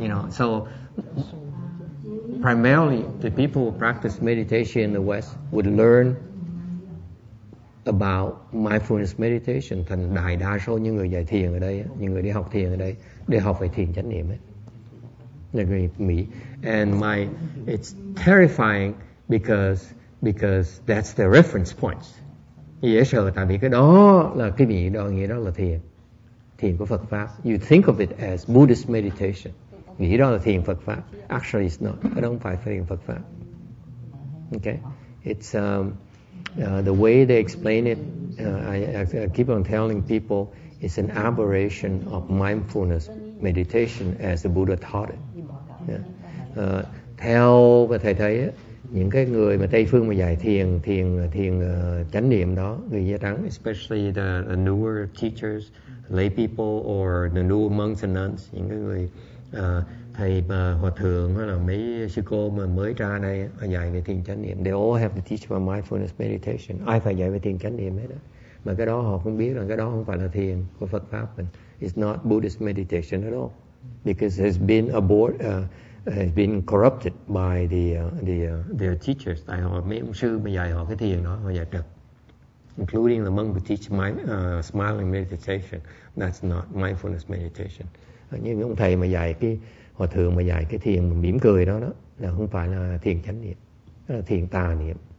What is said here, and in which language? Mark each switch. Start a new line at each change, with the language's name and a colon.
English: So primarily, the people who practice meditation in the West would learn about mindfulness meditation.
Vietnamese: Thành đại đa số những người dạy thiền ở đây, những người đi học thiền ở đây, để học về thiền chánh niệm ấy. Người Mỹ.
English: And it's terrifying because that's the reference points.
Vietnamese: Dễ sợ tại vì cái đó là cái vị đó, nghĩa đó là thiền. Thiền của Phật Pháp.
English: You think of it as Buddhist meditation.
Vietnamese: Nghĩ đó là thiền Phật Pháp.
English: Actually it's not.
Vietnamese: Nó không phải thiền Phật Pháp.
English: Okay. It's the way they explain it, I keep on telling people, it's an aberration of mindfulness meditation as the Buddha taught it. Yeah.
Vietnamese: Theo mà thầy thấy, những cái người mà Tây Phương mà dạy thiền chánh niệm đó, người da trắng,
English: especially the newer teachers, lay people, or the newer monks and nuns,
Vietnamese: những cái người thầy mà hòa thượng hay là mấy sư cô mà mới ra đây mà dạy về thiền chánh niệm,
English: they all have to teach about mindfulness meditation.
Vietnamese: Ai phải dạy về thiền chánh niệm hết đó. Mà cái đó họ không biết là cái đó không phải là thiền của Phật Pháp mình.
English: It's not Buddhist meditation at all, because it's been been corrupted by their teachers.
Vietnamese: Tại họ mấy ông sư mà dạy họ cái thiền đó, họ dạy trật.
English: Including the monk who teach smiling meditation, that's not mindfulness meditation.
Vietnamese: Những ông thầy mà dạy cái hòa thượng mà dạy cái thiền mỉm cười đó đó là không phải là thiền chánh niệm, là thiền tà niệm.